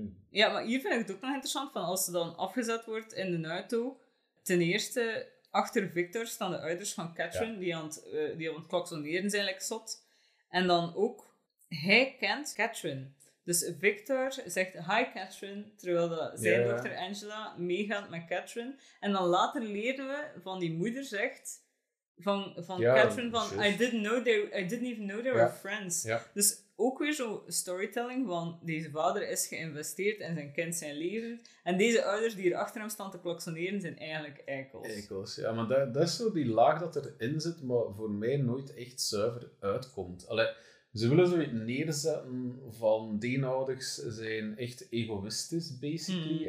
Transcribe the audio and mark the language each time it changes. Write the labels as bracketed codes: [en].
[nl] Ja, maar hier vind ik het ook nog interessant, van als ze dan afgezet wordt in de auto, ten eerste, achter Victor staan de ouders van Catherine, die aan het klaksoneren zijn, like zot. En dan ook, hij kent Catherine. Dus Victor zegt, hi Catherine, terwijl zijn dochter Angela meegaat met Catherine. En dan later leren we van die moeder zegt... Van Catherine, van [en] I didn't even know they were friends. [nl] Ja. Dus ook weer zo storytelling van deze vader is geïnvesteerd en zijn kind zijn leven. En deze ouders die er achter hem staan te klaksoneren zijn eigenlijk eikels. Eikels, ja. Maar dat is zo die laag dat erin zit, maar voor mij nooit echt zuiver uitkomt. Allee, ze willen zo neerzetten van die ouders zijn echt egoïstisch, basically. Mm.